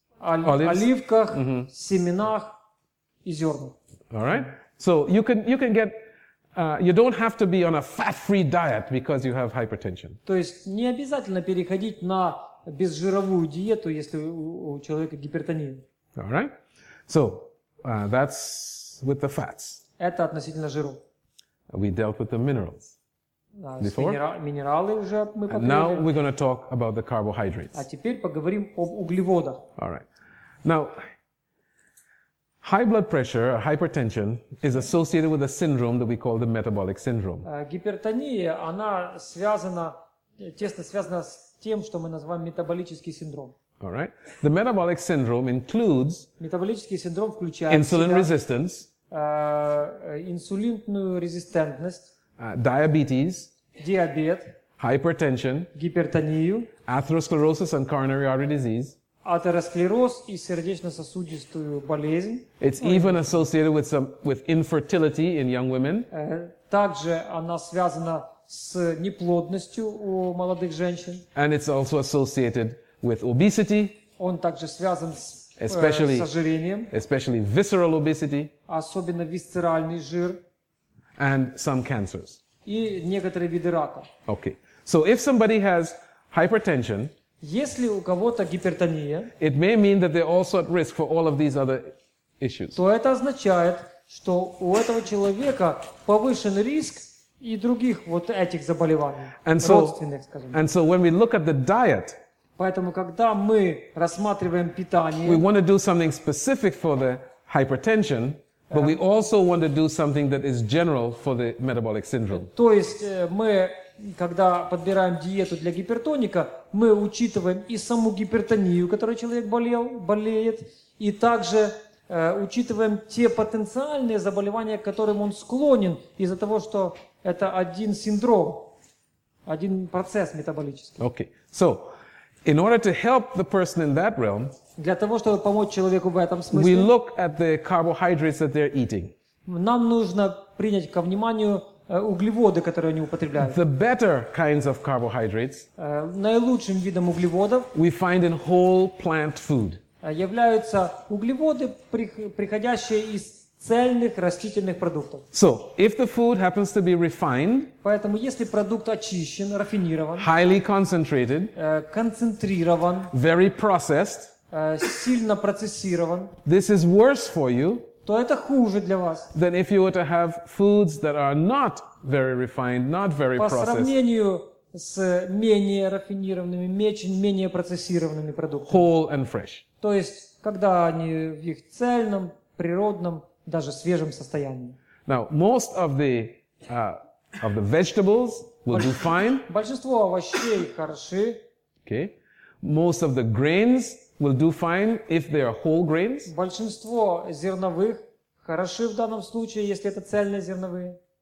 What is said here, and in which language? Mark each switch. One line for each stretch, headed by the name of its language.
Russian: Оливках, семенах и зернах.
English: All right. So you can get you don't have to be on a fat-free diet because you have hypertension.
Russian: То есть не обязательно переходить на безжировую диету, если у человека гипертония.
English: All right. So that's with the fats.
Russian: Это относительно жиров.
English: We dealt with the minerals. Before.
Russian: Минералы уже мы поговорили.
English: Now we're going to talk about the carbohydrates.
Russian: А теперь поговорим об углеводах.
English: All right. Now, high blood pressure, or hypertension, is associated with a syndrome that we call the metabolic syndrome.
Russian: Гипертония, она связана, тесно связана с тем, что мы называем метаболический синдром.
English: All right. The metabolic syndrome includes
Russian: метаболический синдром включает
English: insulin resistance,
Russian: инсулинную резистентность,
English: diabetes,
Russian: диабет,
English: hypertension,
Russian: гипертонию,
English: atherosclerosis and coronary artery disease.
Russian: Атеросклероз и сердечно-сосудистую болезнь.
English: It's even associated with infertility in young women.
Russian: Также она связана с неплодностью у молодых женщин.
English: And it's also associated with obesity.
Russian: Он также связан
English: especially,
Russian: с ожирением.
English: Especially visceral obesity.
Russian: Особенно висцеральный жир.
English: And some cancers.
Russian: И некоторые виды рака.
English: Okay. So if somebody has hypertension,
Russian: если у кого-то гипертония,
English: it may mean that they're also at risk for all of these other issues.
Russian: То это означает, что у этого человека повышен риск и других вот этих заболеваний,
English: and
Russian: родственных,
English: so,
Russian: скажем.
English: And so when we look at the diet,
Russian: поэтому когда мы рассматриваем питание,
English: we want to do something specific for the hypertension, but we also want to do something that is general for the metabolic syndrome.
Russian: То есть мы когда подбираем диету для гипертоника, мы учитываем и саму гипертонию, которой человек болеет, и также учитываем те потенциальные заболевания, к которым он склонен из-за того, что это один синдром, один процесс метаболический.
English: Okay. So, in order to help the person in that realm,
Russian: для того, чтобы помочь человеку в этом смысле,
English: we look at the carbohydrates that they're eating.
Russian: Нам нужно принять ко вниманию углеводы, которые они употребляют.
English: The better kinds of carbohydrates,
Russian: наилучшим видом углеводов,
English: we find in whole plant food.
Russian: Являются углеводы, приходящие из цельных растительных продуктов.
English: So, if the food happens to be refined,
Russian: поэтому если продукт очищен, рафинирован,
English: highly concentrated,
Russian: концентрирован,
English: very processed,
Russian: сильно процессирован,
English: this is worse for you,
Russian: то это хуже для вас.
English: Than if you were to have foods that are not very refined, not very processed.
Russian: По сравнению с менее рафинированными, менее процессированными продуктами.
English: Whole and fresh.
Russian: То есть, когда они в их цельном, природном, даже свежем состоянии.
English: Now, most of the vegetables will do fine.
Russian: Большинство овощей хороши.
English: Okay. Most of the grains will do fine if they are whole grains.
Russian: Большинство зерновых хороши в данном случае, если это цельные зерновые.